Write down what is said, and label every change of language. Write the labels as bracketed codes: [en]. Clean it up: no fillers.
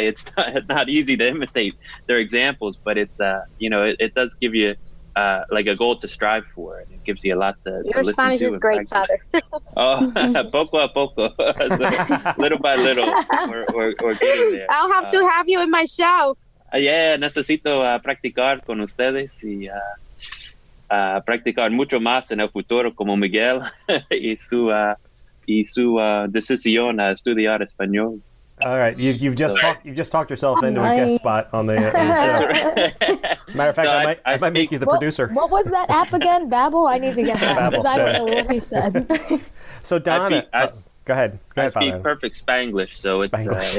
[en] It's not easy to imitate their examples, but it's, it does give you like a goal to strive for, and it gives you a lot to listen to. Your Spanish is great, Father. Oh, [es] poco a poco, [en] little by little, we're getting there. I'll have to have you in my show. [es] Necesito practicar con ustedes y practicar mucho más en el futuro como Miguel y su decisión a estudiar español. [en] All right, you've just talked yourself into a guest spot on the show. That's right. Matter of fact, so I might make you the producer. What was that app again? Babbel? I need to get that because I don't know what he said. So Donna, go ahead. I speak perfect Spanglish, so Spanglish.